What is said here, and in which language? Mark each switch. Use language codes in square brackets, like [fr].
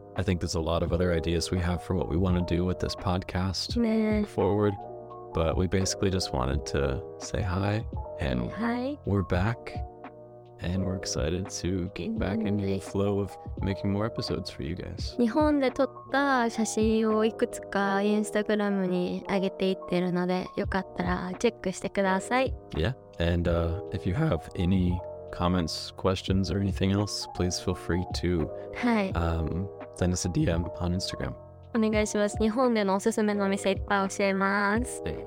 [en] I think there's a lot of other ideas we have for what we want to do with this podcast forward. But we basically just wanted to say hi. And hi. We're back. And we're excited to get back into the flow of making more episodes for you guys. [ja] 日本で撮った写真をいくつかインスタグラムに上げていってるので、よかったらチェックしてください。 [en] Yeah. And if you have any comments, questions, or anything else, please feel free to... [ja] はい。 [en] Send us a DM on Instagram. [ja] お願いします。日本でのおすすめのお店いっぱい教えます。